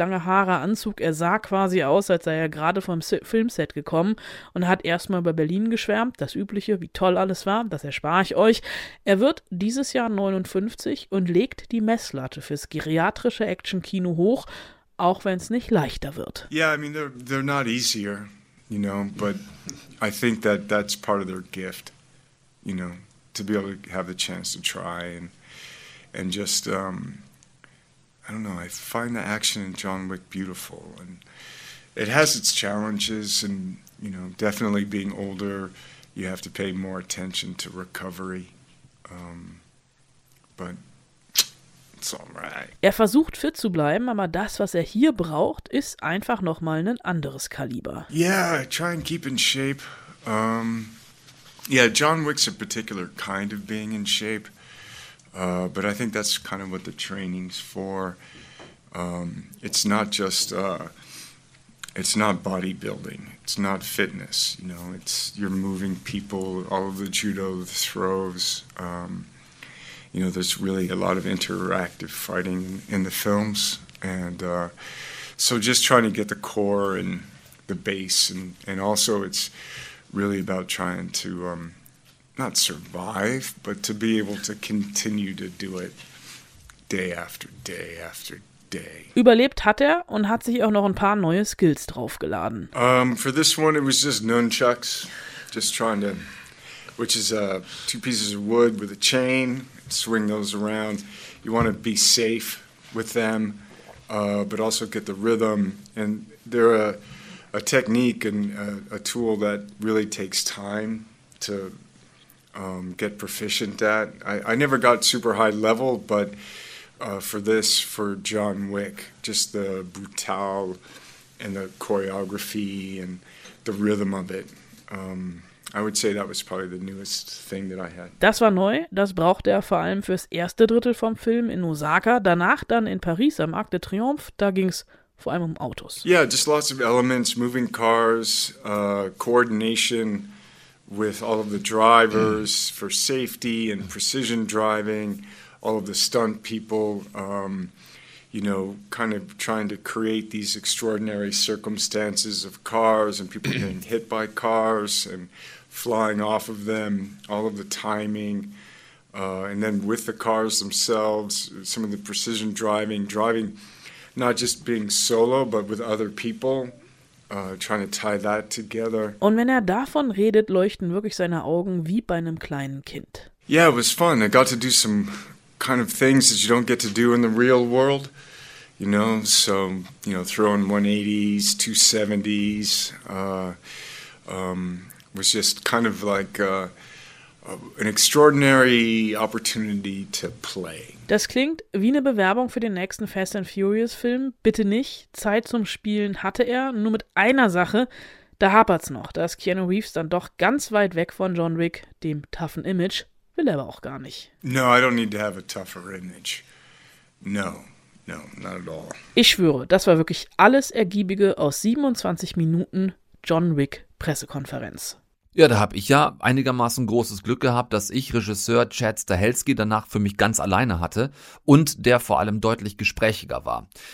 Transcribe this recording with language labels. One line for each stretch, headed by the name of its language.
German: Lange Haare, Anzug, er sah quasi aus, als sei er gerade vom Filmset gekommen und hat erstmal über Berlin geschwärmt, das Übliche, wie toll alles war, das erspare ich euch. Er wird dieses Jahr 59 und legt die Messlatte fürs geriatrische Actionkino hoch, auch wenn es nicht leichter wird.
English: Yeah, I mean, they're not easier, you know, but I think that that's part of their gift, you know, to be able to have the chance to try and just, I don't know, I find the action in John Wick beautiful and it has its challenges and, you know, definitely being older, you have to pay more attention to recovery. But it's all right.
German: Er versucht fit zu bleiben, aber das, was er hier braucht, ist einfach nochmal ein anderes Kaliber.
English: Yeah, try and keep in shape. John Wick's a particular kind of being in shape. But I think that's kind of what the training's for. It's not just... It's not bodybuilding. It's not fitness. You know, it's you're moving people. All of the judo, the throws. You know, there's really a lot of interactive fighting in the films, and so just trying to get the core and the base, and also it's really about trying to not survive, but to be able to continue to do it day after day after day.
German: Überlebt hat er und hat sich auch noch ein paar neue Skills draufgeladen.
English: For this one, it was just nunchucks, just trying to, which is two pieces of wood with a chain, swing those around. You want to be safe with them, but also get the rhythm. And they're a technique and a tool that really takes time to get proficient at. I never got super high level, but for this, for John Wick, just the brutal and the choreography and the rhythm of it. I would say that was probably the newest thing that I had.
German: Das war neu, das brauchte er vor allem fürs erste Drittel vom Film in Osaka, danach dann in Paris am Arc de Triomphe, da ging's vor allem um Autos.
English: Yeah, just lots of elements, moving cars, coordination with all of the drivers for safety and precision driving. All of the stunt people, you know, kind of trying to create these extraordinary circumstances of cars and people getting hit by cars and flying off of them, all of the timing. And then with the cars themselves, some of the precision driving, not just being solo, but with other people. Trying to tie that together.
German: Und wenn er davon redet, leuchten wirklich seine Augen wie bei einem kleinen Kind.
English: Yeah, it was fun. I got to do some kind of things that you don't get to do in the real world, you know, so, you know, throwing 180s, 270s, was just kind of like an extraordinary opportunity to play.
German: Das klingt wie eine Bewerbung für den nächsten Fast and Furious Film, bitte nicht, Zeit zum Spielen hatte er, nur mit einer Sache, da hapert's noch, da ist Keanu Reeves dann doch ganz weit weg von John Wick, dem toughen Image. Will er aber auch gar nicht.
English: No, I don't need to have a tougher image. No, no, not at all.
German: Ich schwöre, das war wirklich alles Ergiebige aus 27 Minuten John Wick Pressekonferenz. Ja, da habe ich ja einigermaßen großes Glück gehabt, dass ich Regisseur Chad Stahelski danach für mich ganz alleine hatte und der vor allem deutlich gesprächiger war.